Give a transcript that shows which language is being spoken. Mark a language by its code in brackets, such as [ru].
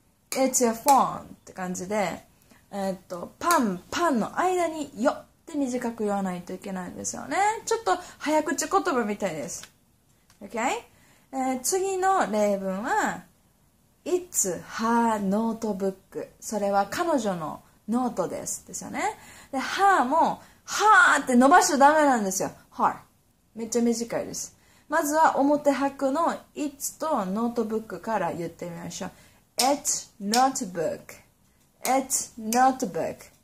[en] It's your phone [ja] って感じで、パンパンの間に your って短く言わないといけないんですよね。ちょっと早口言葉みたいです。 OK、次の例文は [en] It's her notebook。 [ja] それは彼女のノートですですよね。で、はーも、はーって伸ばしちゃダメなんですよ。はー。めっちゃ短いです。まずは表拍の it's とノートブックから言ってみましょう。 [en] it's notebook。 it's notebook。